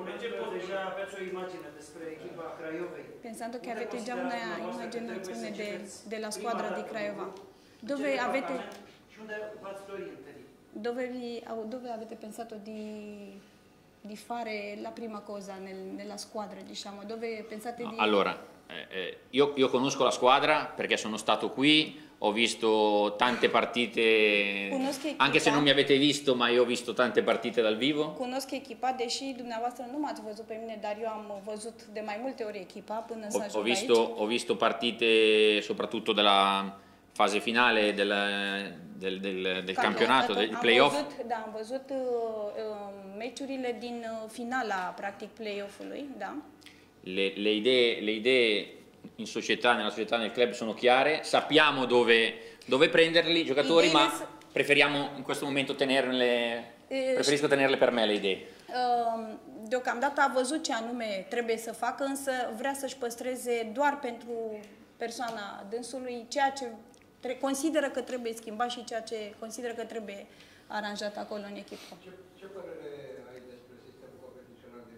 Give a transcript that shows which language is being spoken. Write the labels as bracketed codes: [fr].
[ro] Pe ce poți deja avea o imagine despre echipa Craiovei? [it] Pensando che avete già una immaginazione della squadra di Craiova. Dove avete pensato di di fare la prima cosa nella squadra, diciamo, dove pensate di... Allora, io conosco la squadra perché sono stato qui, ho visto tante partite, anche se non mi avete visto, ma io ho visto tante partite dal vivo. Conosco [ro] echipa, deși dumneavoastră nu m-ați văzut pe mine, dar eu am văzut de mai multe ori echipa până să ajung aici. [it] Ho visto partite soprattutto della fase finale del campionato, del play-off. [ro] Am văzut meciurile din finala, practic, play-off-ului, da. [it] Le idee in società, nella società, nel club sono chiare, sappiamo dove prenderli i giocatori, ma preferiamo in questo momento preferisco tenerle per me le idee. [ro] Deocamdată a văzut ce anume trebuie să facă, însă vrea să-și păstreze doar pentru persoana dânsului ceea ce consideră că trebuie schimbat și ceea ce consideră că trebuie aranjat acolo în echipă. Ce părere ai despre sistemul competițional de